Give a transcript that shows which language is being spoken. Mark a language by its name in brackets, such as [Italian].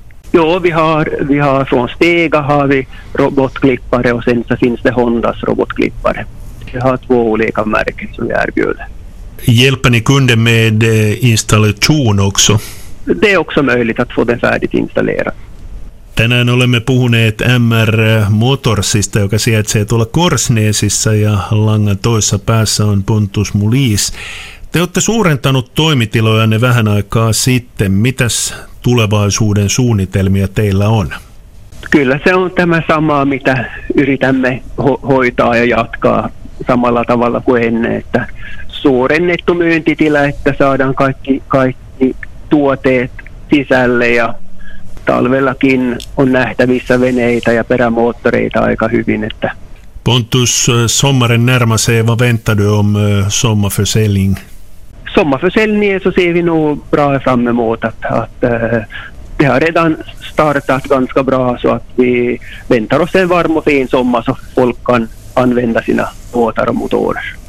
[Swedish] Ja, vi har från Stega har vi robotklippare och sen så finns det Hondas robotklippare. Vi har två olika märken som vi erbjuder. Hjälper ni kunden med installation också? Det är också möjligt att få den färdigt installerad. [Finnish] Tänään olemme puhuneet MR Motorsista, joka sijaitsee tuolla Korsnäsissä ja langan toisessa päässä on Pontus Mulis. Te olette suurentanut toimitilojanne vähän aikaa sitten. Mitäs tulevaisuuden suunnitelmia teillä on? Kyllä se on tämä sama, mitä yritämme hoitaa ja jatkaa samalla tavalla kuin ennen. Että suurennettu myyntitila, että saadaan kaikki tuotteet sisälle ja talvellakin on nähtävissä veneitä ja perämoottoreita aika hyvin. Että [Swedish] Pontus, sommaren närmase vad väntar du om sommarförsäljning? Sommarförsäljningen så ser vi nog bra fram emot att det har redan startat ganska bra, så att vi väntar oss en varm och fin sommar så folk kan använda sina båtar och motorer.